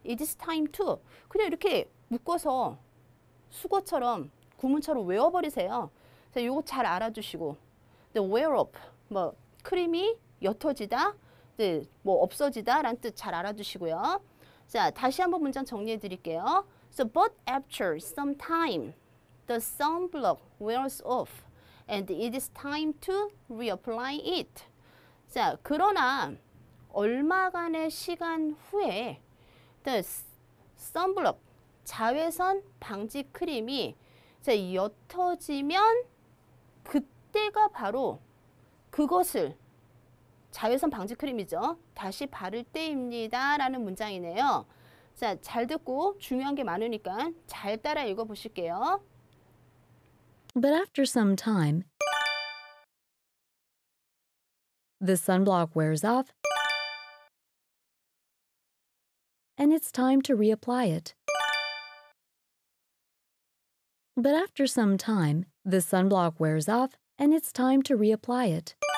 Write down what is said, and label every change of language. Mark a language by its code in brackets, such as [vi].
[en] It is time to [ko] 그냥 이렇게 묶어서 수거처럼 구문처럼 외워버리세요. 자, 요거 잘 알아두시고 [en] the wear off [ko] 뭐 크림이 옅어지다, 뭐 없어지다라는 뜻 잘 알아두시고요. 자, 다시 한번 문장 정리해 드릴게요. [en] So, but after some time, the sunblock wears off, and it is time to reapply it. [ko] 자, 그러나 얼마간의 시간 후에 [en] the sunblock, [ko] 자외선 방지 크림이 자, 옅어지면 그때가 바로 그것을 자외선 방지 크림이죠. 다시 바를 때입니다. 라는 문장이네요. 자, 잘 듣고 중요한 게 많으니까 잘 따라 읽어 보실게요. [en] But after some time, the sunblock wears off, and it's time to reapply it. But after some time, the sunblock wears off, and it's time to reapply it.